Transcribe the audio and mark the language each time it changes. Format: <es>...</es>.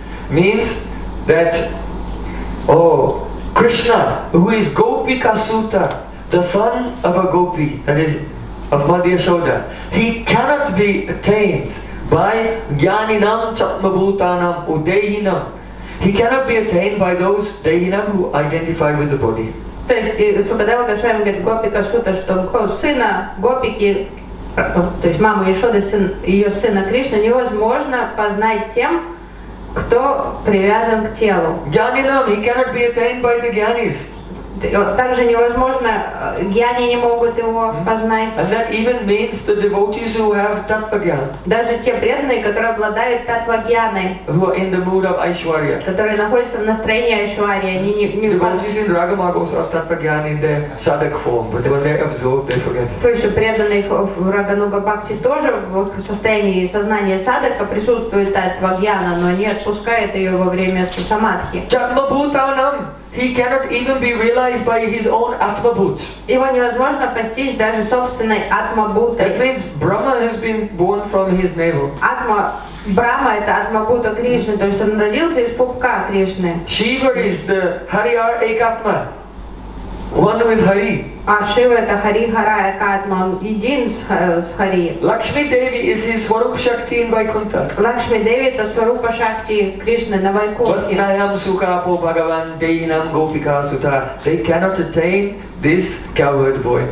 <en>Means that, oh, Krishna, who is Gopika Suta, the son of a gopi, that is, of Madhya Shoda, he cannot be attained by</en> <sa>Jnaninam Chatmabhutanam Udehinam.</sa> <en>He cannot be attained by those Dehinam who identify with the body.</en> <ru>То есть, Шукадева Госвами говорит Гопика Сута, что сына Гопики, то есть мама Ешоды, сын, ее сына Кришна, невозможно познать тем, кто привязан к телу.</ru> <en>Gyaninam, he cannot be attained by the gyanis.</en> <ru>Также невозможно, гьяни не могут его познать.</ru> <en>And that even means the devotees who have tattva-gyan.</en> <ru>Даже те преданные, которые обладают таттва-гьяной.</ru> <en>Who are in the mood of Aishwarya.</en> <ru>Которые находятся в настроении Aishwarya.</ru> <en>Devotees in Raga Marga also have tattva-gyan in their sadhak form. But when they're absorbed, they forget.</en> <ru>То есть преданные в Raga Nuga Bhakti тоже в состоянии сознания садака присутствует таттва-гьяна, но они отпускают ее во время самадхи.</ru> <en>Чатма-бхутанам. He cannot even be realized by his own Atma-bhut.</en> <ru>Его невозможно постичь даже собственной Atma-bhut.</ru> <en>That means Brahma has been born from his navel.</en> <ru>Atma, Brahma это Atma-bhut Krishna, то есть он родился из пупка Кришны.</ru> <en>Shiva is the Hariyar Ekatma, one with Hari.</en> <ru>А Шива это Хари Хара Экатма, он един с Хари.</ru> <en>Lakshmi Devi is his Swarupa Shakti in Vaikuntha.</en> <ru>Lakshmi Devi это Swarupa Shakti Krishna на Вайкунтхе.</ru> <sa>But Nayam Sukapo Bhagavan Deinam Gopika Sutra.</sa> <en>They cannot attain this cowherd boy.</en>